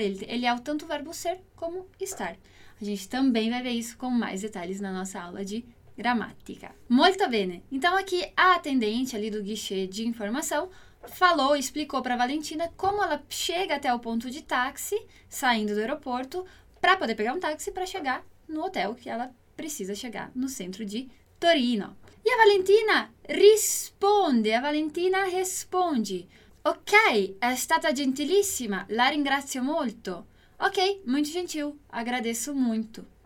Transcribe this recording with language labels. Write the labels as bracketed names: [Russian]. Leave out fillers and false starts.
[Portuguese] Ele é o tanto verbo ser como estar. A gente também vai ver isso com mais detalhes na nossa aula de gramática. Muito bem. Então, aqui, a atendente ali do guichê de informação falou, explicou para a Valentina como ela chega até o ponto de táxi, saindo do aeroporto, para poder pegar um táxi para chegar no hotel que ela precisa chegar no centro de Torino. E a Valentina responde, [Italian] Ok, è stata gentilissima, la ringrazio molto. [Portuguese] Ok, muito gentil, agradeço muito.